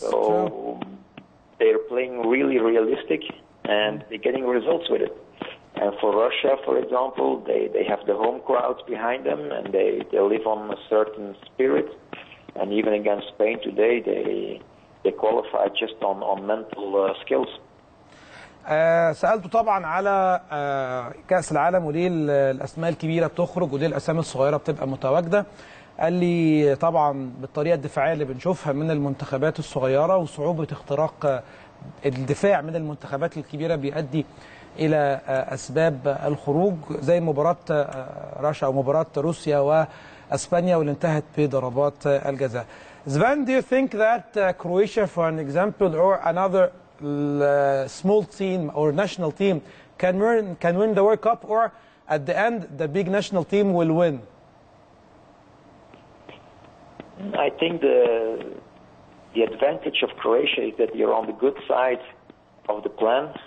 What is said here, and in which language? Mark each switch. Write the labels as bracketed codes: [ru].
[en] so they're playing really realistic and they're getting results with it. And for Russia, for example, they have the home crowds behind them and they live on a certain spirit. And even against Spain today, they qualify just on mental skills. [ar] سألته طبعا على كأس العالم وليه الأسماء الكبيرة بتخرج وليه الأسماء الصغيرة بتبقى متواجدة. قال لي طبعا بالطريقة الدفاعية اللي بنشوفها من المنتخبات الصغيرة وصعوبة اختراق الدفاع من المنتخبات الكبيرة بيؤدي الى اسباب الخروج زي مباراه رشا او مباراه روسيا واسبانيا واللي انتهت بضربات الجزاء. [en] زبان، do you think that Croatia for an example or another small team or national team can win the World Cup or at the end the big national team will win? I think the advantage of Croatia is that you're on the good side of the plan.